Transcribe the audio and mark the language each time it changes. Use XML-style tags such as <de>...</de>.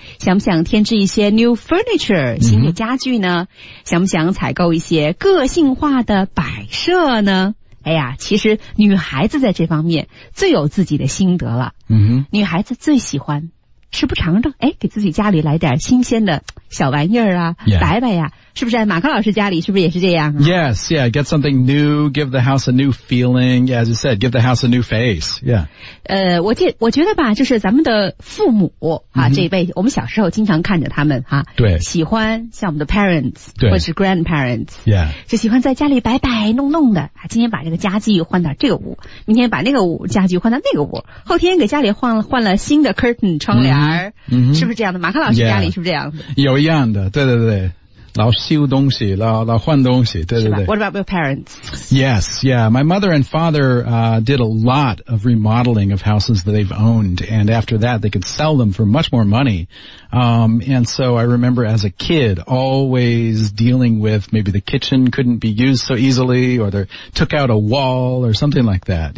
<zh>想不想添置一些 new furniture 新的家具呢、想不想采购一些个性化的摆设呢？哎呀，其实女孩子在这方面最有自己的心得了。女孩子最喜欢吃不尝尝，哎，给自己家里来点新鲜的小玩意儿啊，摆摆呀，是不是？马克老师家里是不是也是这样啊？</zh> <en>Yes, yeah, get something new, give the house a new feeling, yeah, as you said, give the house a new face, yeah.</en> <zh>我觉得吧，就是咱们的父母啊、这一辈，我们小时候经常看着他们哈、对，喜欢像我们的 parents, 或者是 grandparents,</zh> <en>yeah,</en> <zh>就喜欢在家里摆摆弄弄的，今天把这个家具换到这个屋，明天把那个屋家具换到那个屋，后天给家里换了新的 curtain 窗帘、是不是这样的？马克老师家里是不是这样的？ Yeah, 有一样的，对对对。老修东西，老换东西，对对对。</zh> <en>What about your parents? Yes, yeah. My mother and father, did a lot of remodeling of houses that they've owned, and after that they could sell them for much more money. And so I remember as a kid always dealing with maybe the kitchen couldn't be used so easily, or they took out a wall or something like that.</en>